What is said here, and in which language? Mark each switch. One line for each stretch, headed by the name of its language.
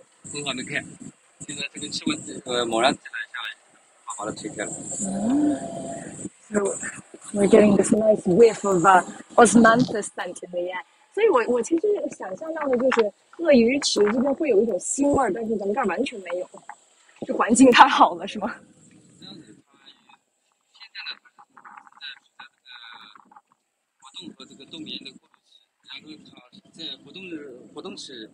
Chinese: 很好能看，现在这个气温猛然提了一下，把它吹开了。
English: So we're getting this nice whiff of osmanthus scent in the air.
Chinese: 所以我其实想象到的就是鳄鱼池这边会有一种腥味，但是咱们这儿完全没有，就环境太好了，是吗？和这个冬眠的过渡期，然后它在活动期。